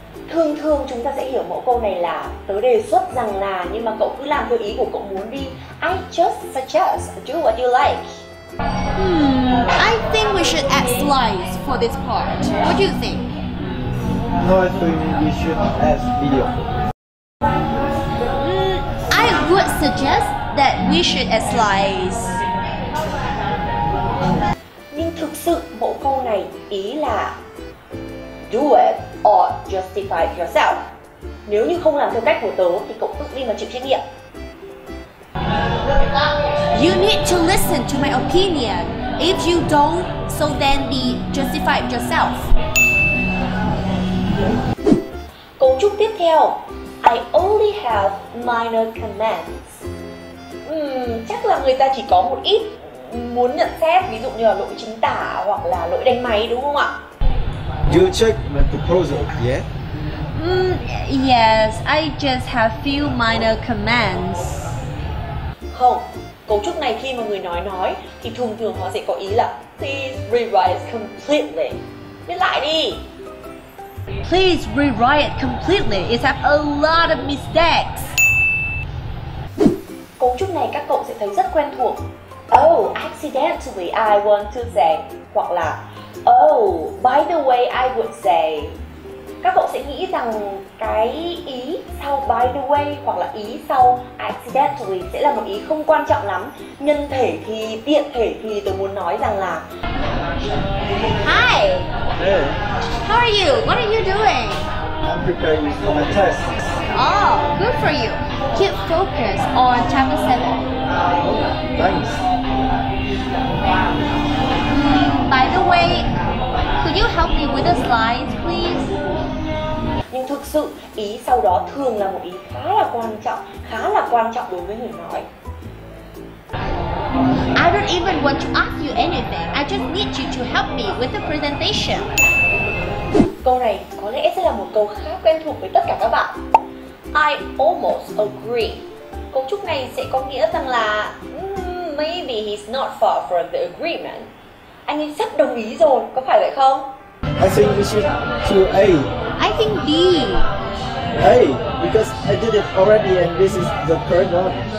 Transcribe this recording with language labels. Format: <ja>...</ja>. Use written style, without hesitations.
<vi>Thường thường chúng ta sẽ hiểu mẫu câu này là tớ đề xuất rằng là, nhưng mà cậu cứ làm theo ý của cậu muốn đi.</vi> <en>I just suggest, do what you like. I think we should add slides for this part. What do you think? No, I think we should add video. I would suggest that we should add slides.</en> <vi>Nhưng thực sự bộ câu này ý là</vi> <en>do it or justify yourself.</en> <vi>Nếu như không làm theo cách của tớ thì cậu tự đi mà chịu trách nhiệm.</vi> <en>You need to listen to my opinion. If you don't, so then be justified yourself.</en> <vi>Cấu trúc tiếp theo,</vi> <en>I only have minor comments.</en> <vi>Chắc là người ta chỉ có một ít muốn nhận xét, ví dụ như là lỗi chính tả hoặc là lỗi đánh máy, đúng không ạ?</vi> <en>You check my proposal, yeah? Yes, I just have few minor comments.</en> <vi>Không, cấu trúc này khi mà người nói thì thường thường họ sẽ có ý là</vi> <en>please rewrite completely.</en> <vi>Viết lại đi.</vi> <en>Please rewrite completely. It has a lot of mistakes.</en> <vi>Cấu trúc này các cậu sẽ thấy rất quen thuộc.</vi> <en>Oh, accidentally I want to say.</en> <vi>Hoặc là</vi> <en>oh, by the way I would say.</en> <vi>Các cậu sẽ nghĩ rằng cái ý sau by the way hoặc là ý sau accidentally sẽ là một ý không quan trọng lắm. Nhân thể thì, tiện thể thì tôi muốn nói rằng là</vi> <en>Hi! Hey! How are you? What are you doing? I'm preparing for my test. Oh, good for you. Keep focus on chapter 7. Thanks. By the way, could you help me with the slides, please?</en> <vi>Nhưng thực sự, ý sau đó thường là một ý khá là quan trọng đối với người nói.</vi> <en>I don't even want to ask you anything. I just need you to help me with the presentation.</en> <vi>Câu này có lẽ sẽ là một câu khá quen thuộc với tất cả các bạn.</vi> <en>I almost agree.</en> <vi>Cấu trúc này sẽ có nghĩa rằng là</vi> <en>maybe he's not far from the agreement.</en> <vi>Anh ấy sắp đồng ý rồi, có phải vậy không?</vi> <en>I think we should choose A. I think B. A, because I did it already and this is the third one.</en>